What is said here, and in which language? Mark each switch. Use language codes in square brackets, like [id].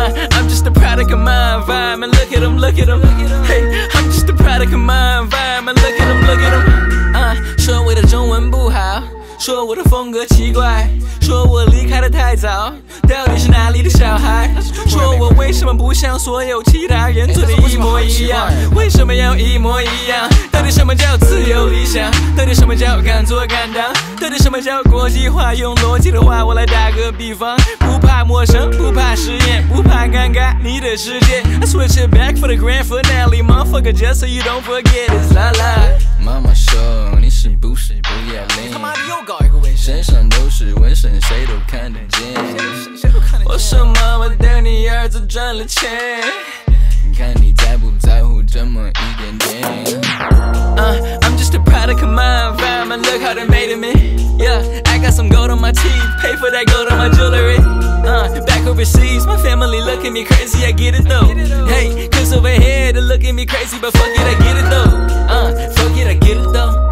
[en] I'm just a product of my environment. Look at 'em, look at 'em. Hey, I'm just a product of my environment. Look at 'em, look at 'em. [zh] 说我的中文不好，说我的风格奇怪，说我离开的太早，到底是哪里的小孩？说我为什么不像所有其他人做的一模一样？为什么要一模一样？到底什么叫自由理想？到底什么叫敢做敢当？到底什么叫国际化？用逻辑的话，我来打个比方，不怕陌生，不怕实验，不怕尴尬，你的世界。 [en] I switch it back for the grand finale, motherfucker, just so you don't forget it. La la. [zh] 妈妈说你是不是不要脸，你他妈的又搞一个纹身，身上都是纹身，谁都看得见，谁都看得见。我说妈妈带你儿子赚了钱，看你在不在乎这么一点点。 [en] I'm just a product of my environment. Look how they made of me. Yeah, I got some gold on my teeth. Pay for that gold on my jewelry. Back overseas, my family look at me crazy. I get it though. Hey, 'cause over here they look at me crazy, but fuck it, I get it though. Fuck it, I get it though.